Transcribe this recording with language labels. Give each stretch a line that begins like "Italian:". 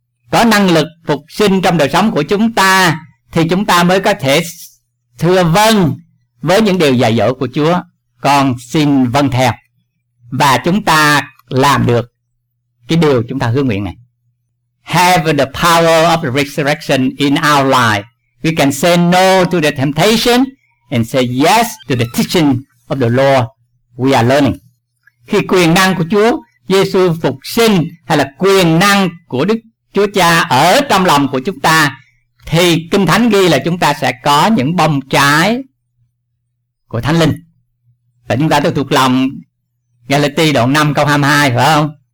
Vietnamese: Có năng lực phục sinh trong đời sống của chúng ta thì chúng ta mới có thể thưa vâng với những điều dạy dỗ của Chúa, còn xin vâng theo. Và chúng ta làm được cái điều chúng ta hứa nguyện này.
English: Have the power of the resurrection in our life. We can say no to the temptation and say yes to the teaching of the Lord we are learning.
Vietnamese: Khi quyền năng của Chúa Giêsu phục sinh hay là quyền năng của Đức Chúa Cha ở trong lòng của chúng ta, Thì Kinh Thánh ghi là chúng ta sẽ có những bông trái của Thánh Linh. Và chúng ta được thuộc lòng Galati đoạn 5 câu 22, phải không?